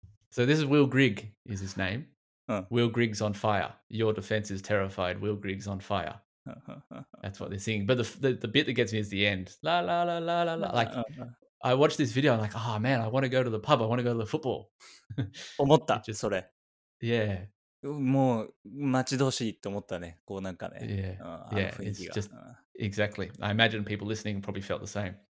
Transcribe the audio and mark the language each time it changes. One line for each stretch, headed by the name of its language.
English: So this is Will Grigg, is his name. Will Grigg's on fire. Your defense is terrified. Will Grigg's on fire. That's what they're singing. But the bit that gets me is the end. La, la, la, la, la, la. Like, I watched this video. I'm like, oh man, I want to go to the pub. I want to go to the football.
Japanese: 思った、just, それ。 Yeah. もう待ち遠しいって思ったね。こうなんかね。
English: Yeah, it's just exactly. I imagine people listening probably felt the same.